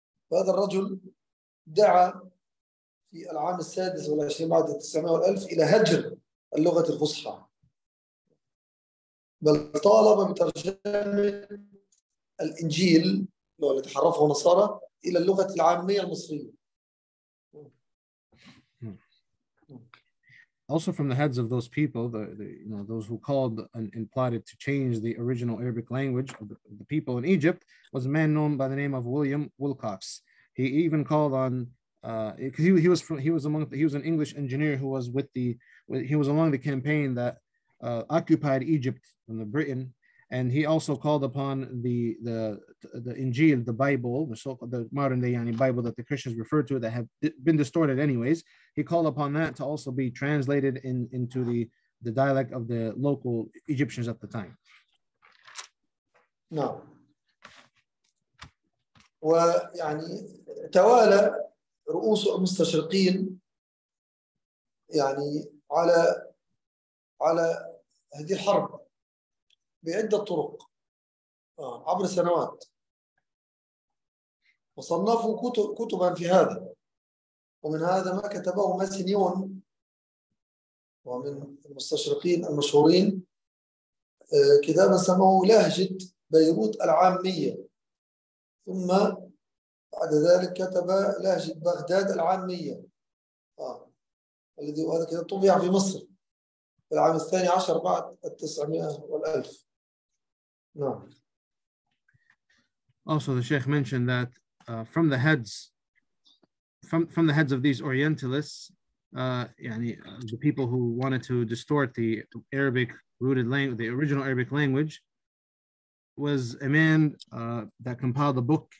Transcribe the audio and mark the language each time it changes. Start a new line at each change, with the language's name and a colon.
Arabic: فهذا الرجل دعا في العام 26 بعد 1900 إلى هجر اللغة الفصحى، بل طالب بترجمة الإنجيل التي حرفه نصارى إلى اللغة العامية المصرية.
English: Also from the heads of those people, those who called and plotted to change the original Arabic language of the people in Egypt, was a man known by the name of William Wilcox. He even called on because he was an English engineer who was with the, he was along the campaign that occupied Egypt from the Britain, and he also called upon the Injil, the Bible, the modern day Bible that the Christians refer to that have been distorted anyways. He called upon that to also be translated into the dialect of the local Egyptians at the time. No.
Arabic: وتوالى رؤوس المستشرقين على هذه الحرب بعدة طرق عبر سنوات، وصنفوا كتبا في هذا، ومن هذا ما كتبه ماسينيون، ومن المستشرقين المشهورين كتابا سموه لهجة بيروت العامية، ثم بعد ذلك كتب لهجة بغداد العامية الذي هذا كتاب طبع في مصر في العام 12 بعد 1900. نعم.
English: Also the Sheikh mentioned that from the heads of these Orientalists, the people who wanted to distort the Arabic rooted language, the original Arabic language, was a man that compiled a book.